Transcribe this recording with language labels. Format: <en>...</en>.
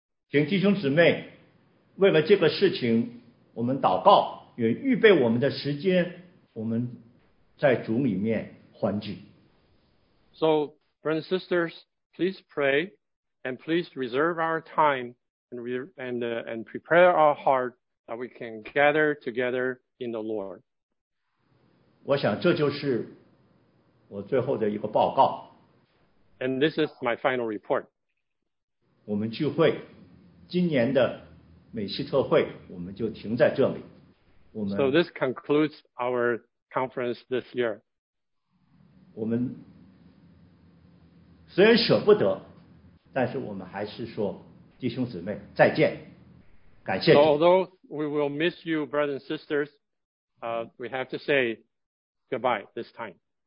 <zh>请弟兄姊妹为了这个事情我们祷告，也预备我们的时间，我们在主里面欢聚。</zh> <en>So, brothers and sisters, please pray And please reserve our time and prepare our heart that we can gather together in the Lord.</en> <zh>我想这就是我最后的一个报告。</zh> <en>And this is my final report.</en> <zh>我们聚会，今年的美西特会我们就停在这里。我们</zh> <en>So this concludes our conference this year.</en> <zh>我们虽然舍不得，但是我们还是说弟兄姊妹再见，感谢。</zh> <en>So although we will miss you, brothers and sisters, we have to say goodbye this time.</en>